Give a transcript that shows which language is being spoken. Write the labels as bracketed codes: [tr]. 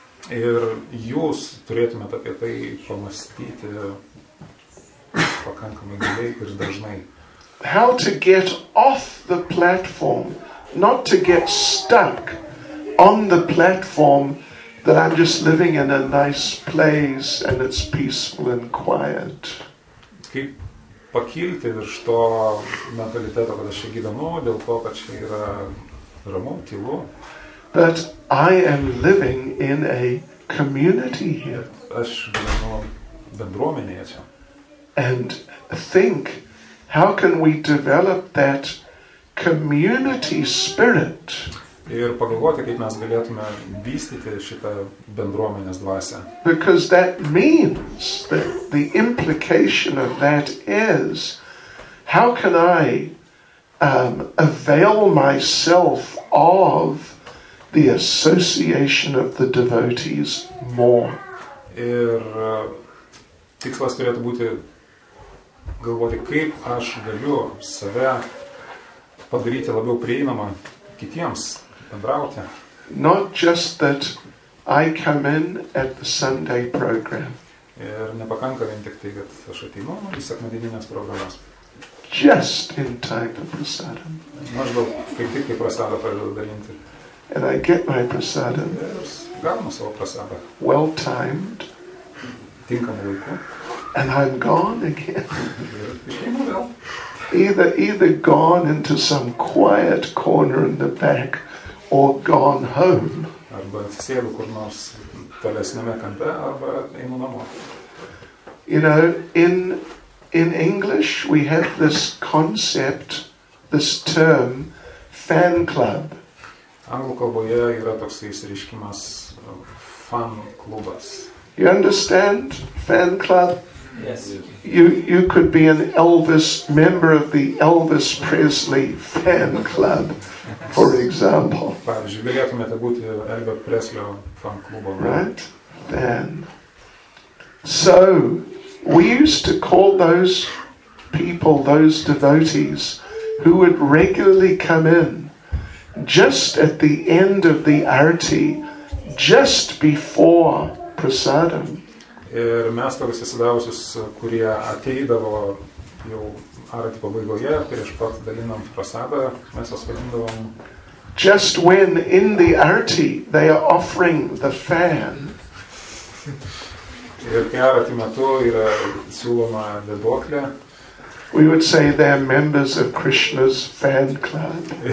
[lt] Ir jūs turėtumėt apie tai pamąstyti pakankamai giliai ir dažnai. [en] How to get off the platform, not to get stuck on the platform that I'm just living in a nice place and it's peaceful and quiet. [lt] Kaip pakilti virš to mentaliteto, kad aš čia gyvenu, dėl to, kad čia yra ramu, tylu. [en] But I am living in a community here. [lt] Aš gyvenu bendruomenėje čia. [en] And think, how can we develop that community spirit? [lt] Ir pagalvoti, kaip mes galėtume vystyti šitą bendruomenės dvasę. [en] Because that means, that the implication of that is, how can I avail myself of the association of the devotees more? [lt] Ir tikslas turėtų būti galvoti, kaip aš galiu save padaryti labiau prieinamą kitiems. Bendrauti. [en] Not just that I come in at the Sunday program. [lt] Ir nepakanka vien tik tai, kad aš ateinu į sekmadieninės programas. [en] Just in time for prasadam. [lt] Maždaug kaip tik tai prasadą pradedu dalinti. [en] And I get my prasadam. [lt] Ir gaunu savo prasadą. [en] Well timed. [lt] Tinkamu laiku. [en] And I'm gone again. [lt] Išeinu vėl. [en] Either gone into some quiet corner in the back, or gone home. [lt] Arba atsisėdu kur nors tolesniame kampe, arba einu namo. [en] You know, in English we have this concept, this term, fan club. [lt] Anglų kalboje yra toks išsireiškimas fan klubas. [en] You understand fan club? Yes. You could be an Elvis member of the Elvis Presley fan club. For example. [lt] Pavyzdžiui, galėtumėte būti Elvio Preslio fan klubo. [en] Right? Then. So, we used to call those people, those devotees, who would regularly come in, just at the end of the arti, just before prasadam. [lt] Ir mes tokius įsidavusius, kurie ateidavo jau arti pabaigoje, prieš pat dalinam prasadą, mes pasvalindavom. [en] Just when in the arti they are offering the fan. [lt] Ir kai arti metu yra siūloma deboklė. [en] We would say they are members of Krishna's fan club.